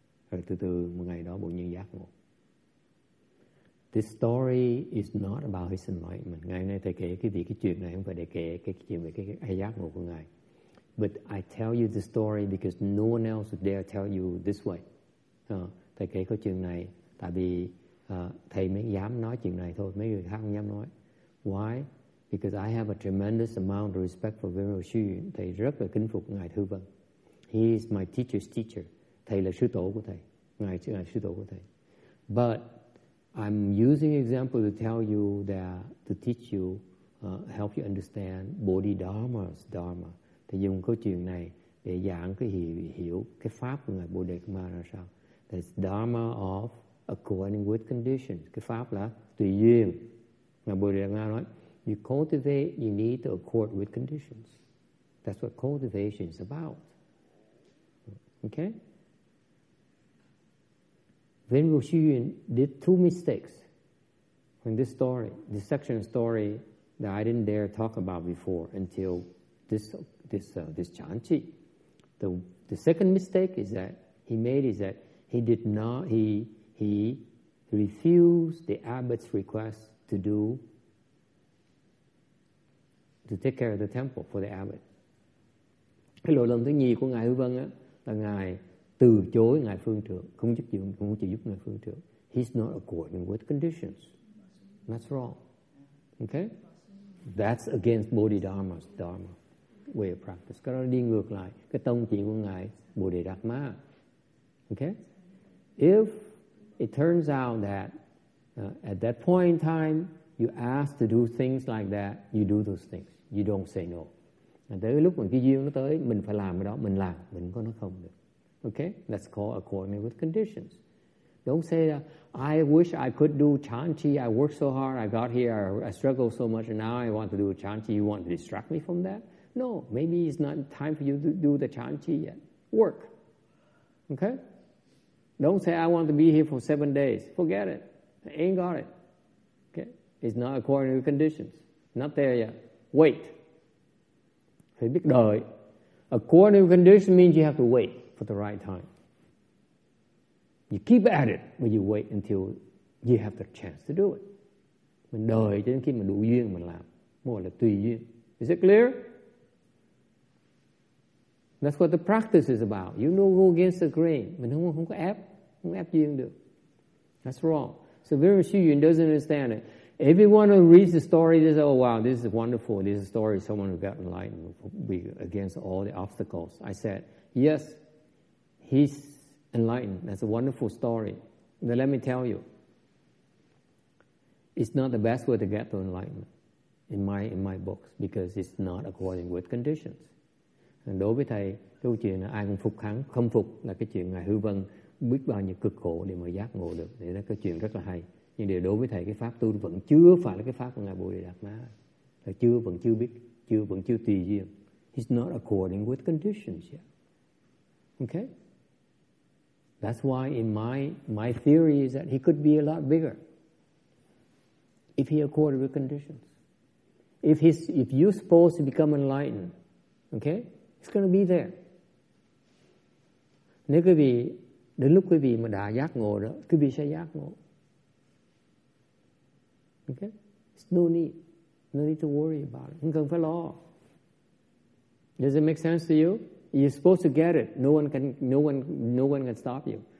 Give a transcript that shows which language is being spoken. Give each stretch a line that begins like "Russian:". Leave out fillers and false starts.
Vietnamese: Rồi từ từ một ngày đó bỗng nhiên giác ngộ.
English: This story is not about his enlightenment.
Vietnamese: Ngày nay thầy kể cái chuyện này không phải để kể cái chuyện về cái giác ngộ của ngài.
English: But I tell you the story because no one else would dare tell you this way.
Vietnamese: Thầy kể cái chuyện này tại vì thầy mới dám nói chuyện này thôi. Mấy người khác không dám nói.
English: Why? Because I have a tremendous amount of respect for Venerable Xu Yun.
Vietnamese: Thầy rất là kính phục Ngài Hư Vân.
English: He is my teacher's teacher.
Vietnamese: Thầy là sư tổ của thầy. Ngài là sư tổ của thầy.
English: But I'm using example to tell you that, to teach you help you understand Bodhidharma's Dharma.
Vietnamese: Thầy dùng câu chuyện này để giảng cái hiểu cái pháp của Ngài Bồ Đề Kama ra sao.
English: That's Dharma of according with conditions.
Vietnamese: Cái pháp là tùy duyên. Ngài Bồ Đề Kama nói,
English: you cultivate, you need to accord with conditions. That's what cultivation is about. Okay? Venerable Shi Yun did two mistakes in this story, this section of story that I didn't dare talk about before until this Chan Chi. The second mistake is that he made is that he did not, he refused the abbot's request to take care of the temple for the abbot.
Vietnamese: Cái lỗi lầm thứ nhì của Ngài Hư Vân á, là Ngài từ chối Ngài Phương Trượng, không chịu giúp Ngài Phương Trượng.
English: He's not according with conditions. That's wrong. Okay? That's against Bodhidharma's Dharma way of practice.
Vietnamese: Cái đó đi ngược lại cái tông chỉ của Ngài Bồ Đề Đạt Ma.
English: Okay? If it turns out that at that point in time you ask to do things like that, you do those things. You don't say no.
Vietnamese: Tới lúc mà cái duyên nó tới, mình phải làm cái đó, mình làm, mình có nói không được.
English: Okay? That's called according with conditions. Don't say that, I wish I could do Chan Chi, I worked so hard, I got here, I struggled so much, and now I want to do Chan Chi, you want to distract me from that? No, maybe it's not time for you to do the Chan Chi yet. Work. Okay? Don't say, I want to be here for 7 days. Forget it. I ain't got it. Okay? It's not according to conditions. Not there yet. Wait.
Vietnamese: Phải biết đợi.
English: According to condition means you have to wait for the right time. You keep at it, but you wait until you have the chance to do it.
Vietnamese: Mình đợi cho đến khi mình đủ duyên mình làm. Mới là tùy duyên.
English: Is it clear? That's what the practice is about. You don't go against the grain.
Vietnamese: Mình không có ép. Không ép duyên được.
English: That's wrong. So very few of you doesn't understand it. Everyone who reads the story, they say, oh wow, this is wonderful. This is a story of someone who got enlightened against all the obstacles. I said, yes, he's enlightened. That's a wonderful story. But let me tell you, it's not the best way to get to enlightenment in my books because it's not according with conditions.
Vietnamese: And đối với thầy, câu chuyện là ai cũng phục hắn, không phục là cái chuyện Ngài Hư Vân biết bao nhiêu cực khổ để mà giác ngộ được. Thì đó cái chuyện rất là hay. Nhưng điều đối với thầy cái pháp tu vẫn chưa phải là cái pháp của Ngài Bồ Đề Đạt Ma. Thầy vẫn chưa tùy duyên.
English: It's not according with conditions yet. Okay? That's why in my theory is that he could be a lot bigger if he accorded with conditions. If you're supposed to become enlightened, okay, it's going to be there.
Vietnamese: Nếu quý vị, đến lúc quý vị mà đã giác ngộ đó, quý vị sẽ giác ngộ.
English: Okay? It's no need to worry about it.
Vietnamese: Không cần phải lo.
English: Does it make sense to you? You're supposed to get it. No one can stop you.